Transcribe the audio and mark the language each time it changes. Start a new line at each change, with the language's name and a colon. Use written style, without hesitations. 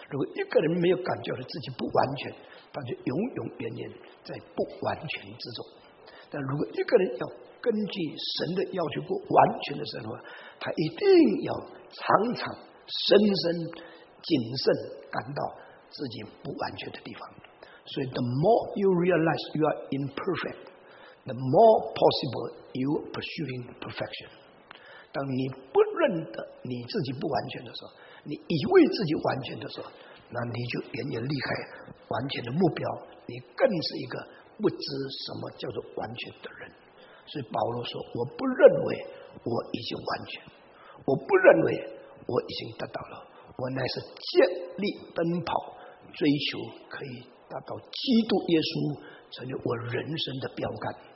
Chinese: 如果一个人没有感觉到自己不完全，他就永永远远在不完全之中。但如果一个人要根据神的要求过完全的生活，他一定要常常深深谨慎感到自己不完全的地方。
English: 所以 the more you realize you are imperfect, the more possible you are pursuing perfection。
Chinese: 当你不认得你自己不完全的时候，你以为自己完全的时候，那你就远远离开完全的目标，你更是一个不知什么叫做完全的人。所以保罗说，我不认为我已经完全，我不认为我已经得到了，我乃是竭力奔跑，追求可以达到基督耶稣成为我人生的标杆。